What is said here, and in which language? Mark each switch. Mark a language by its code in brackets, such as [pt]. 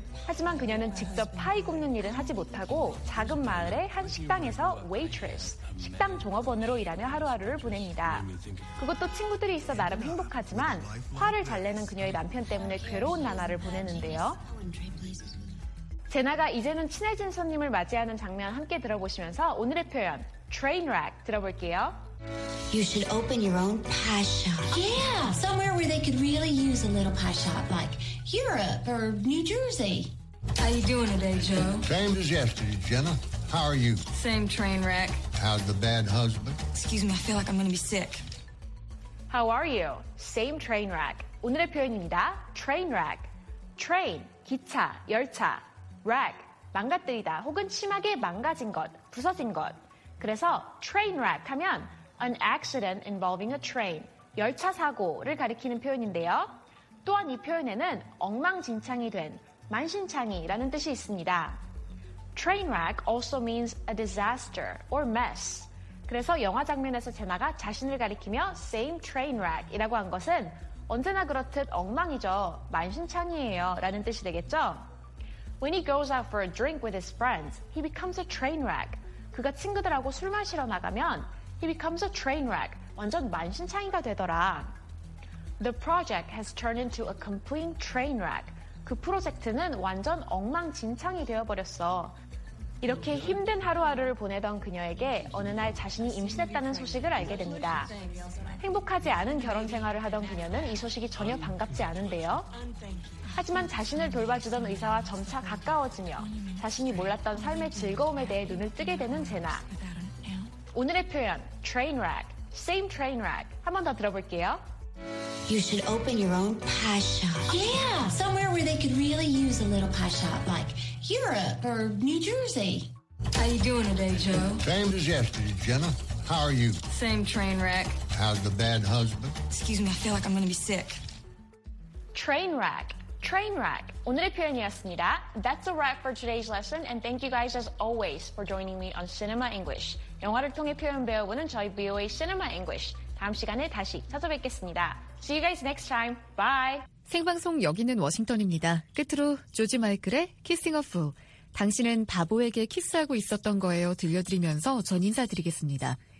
[ko] 하지만 그녀는 직접 파이 굽는 일은 하지 못하고 작은 마을의 한 식당에서 waitress, 식당 종업원으로 일하며 하루하루를 보냅니다. 그것도 친구들이 있어 나름 행복하지만 화를 잘 내는 그녀의 남편 때문에 괴로운 나날을 보내는데요. 제나가 이제는 친해진 손님을 맞이하는 장면 함께 들어보시면서 오늘의 표현 train wreck 들어볼게요. [en] You should open your own pie shop. Yeah, somewhere where they could really use a little pie shop, like Europe or New Jersey. How you doing today, Joe? Same as yesterday, Jenna. How are you? Same train wreck. How's the bad husband? Excuse me, I feel like I'm going to be sick. How are you? Same train wreck. [ko] 오늘의 표현입니다. [en] Train wreck. [ko] Train, 기차, 열차. Wreck, 망가뜨리다 혹은 심하게 망가진 것, 부서진 것. 그래서 train wreck 하면 [en] An accident involving a train, [ko] 열차 사고를 가리키는 표현인데요. 또한 이 표현에는 엉망진창이 된, 만신창이라는 뜻이 있습니다. [en] Train wreck also means a disaster or mess. [ko] 그래서 영화 장면에서 제나가 자신을 가리키며 same train wreck이라고 한 것은 언제나 그렇듯 엉망이죠, 만신창이에요 라는 뜻이 되겠죠. [en] When he goes out for a drink with his friends, he becomes a train wreck. [ko] 그가 친구들하고 술 마시러 나가면 [en] He becomes a train wreck. [ko] 완전 만신창이가 되더라. [en] The project has turned into a complete train wreck. [ko] 그 프로젝트는 완전 엉망진창이 되어버렸어. 이렇게 힘든 하루하루를 보내던 그녀에게 어느 날 자신이 임신했다는 소식을 알게 됩니다. 행복하지 않은 결혼 생활을 하던 그녀는 이 소식이 전혀 반갑지 않은데요. 하지만 자신을 돌봐주던 의사와 점차 가까워지며 자신이 몰랐던 삶의 즐거움에 대해 눈을 뜨게 되는 제나. 오늘의 표현, train wreck, same train wreck. 한 번 더 들어볼게요. [en] You should open your own pie shop. Yeah, somewhere where they could really use a little pie shop, like Europe or New Jersey. How you doing today, Joe? Same as yesterday, Jenna. How are you? Same train wreck. How's the bad husband? Excuse me, I feel like I'm going to be sick. Train wreck, train wreck. [ko] 오늘의 표현이었습니다. [en] That's a wrap for today's lesson, and thank you guys as always for joining me on Cinema English. [ko] 영화를 통해 표현 배워보는 저희 VOA Cinema English. 다음 시간에 다시 찾아뵙겠습니다. [en] See you guys next time. Bye. [ko] 생방송 여기는 워싱턴입니다. 끝으로 조지 마이클의 Kissing a Fool. 당신은 바보에게 키스하고 있었던 거예요. 들려드리면서 전 인사드리겠습니다.